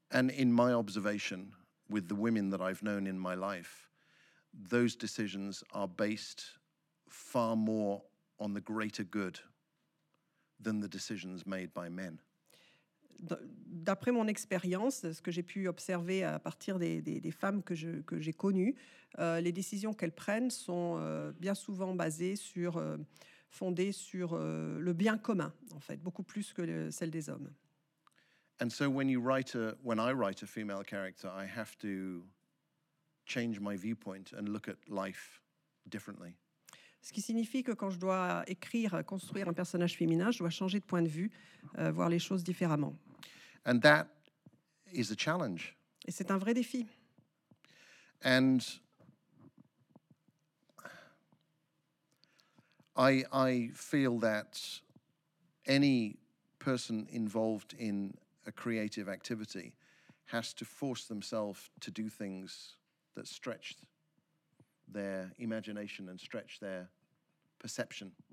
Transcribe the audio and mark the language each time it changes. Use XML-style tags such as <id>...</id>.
<en>And in my observation, with the women that I've known in my life, those decisions are based far more on the greater good than the decisions made by men.</en> <fr>D'après mon expérience, ce que j'ai pu observer à partir des femmes que j'ai connues, les décisions qu'elles prennent sont bien souvent basées sur, fondées sur le bien commun, en fait, beaucoup plus que celles des hommes.</fr> <en>And so when you write a, when I write a female character, I have to change my viewpoint and look at life differently.</en> <fr>Ce qui signifie que quand je dois écrire, construire un personnage féminin, je dois changer de point de vue, voir les choses différemment.</fr> <en>And that is a challenge.</en> <fr>Et c'est un vrai défi.</fr> <en>And I feel that any person involved in a creative activity has to force themselves to do things that stretch their imagination and stretch their perception.</en>